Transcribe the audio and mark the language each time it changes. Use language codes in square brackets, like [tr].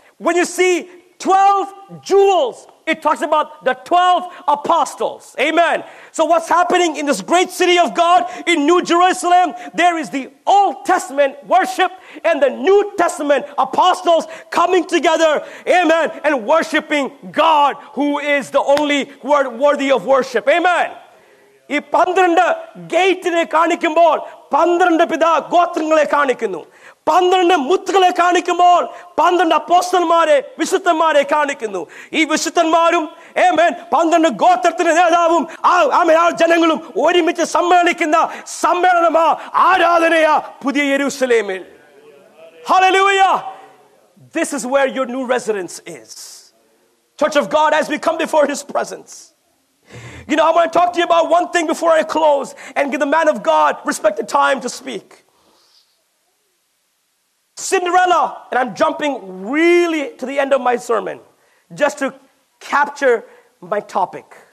[en] When you see 12 jewels, it talks about the 12 apostles. Amen. So what's happening in this great city of God in New Jerusalem? There is the Old Testament worship and the New Testament apostles coming together. Amen. And worshiping God, who is the only word worthy of worship. Amen. [ml] ഈ 12 ഗേറ്റിനെ കാണിക്കുമ്പോൾ 12 പിതാ ഗോത്രങ്ങളെ കാണിക്കുന്നു. 12 മുത്തുകളെ കാണിക്കുമ്പോൾ 12 അപ്പോസ്തലന്മാരെ, വിശുദ്ധന്മാരെ കാണിക്കുന്നു. ഈ വിശുദ്ധന്മാരും ആമേൻ 12 ഗോത്രത്തിന്റെ നേതാവും ആമേൻ ആ ജനങ്ങളും ഒരുമിച്ച് സമ്മേളിക്കുന്ന സമ്മേളനമാ ആരാധനയാ പുതിയ യെരൂശലേമിൽ. ഹല്ലേലൂയാ. [en] This is where your new residence is. Church of God, as we come before his presence. You know, I want to talk to you about one thing before I close and give the man of God respected time to speak. Cinderella, and I'm jumping really to the end of my sermon just to capture my topic.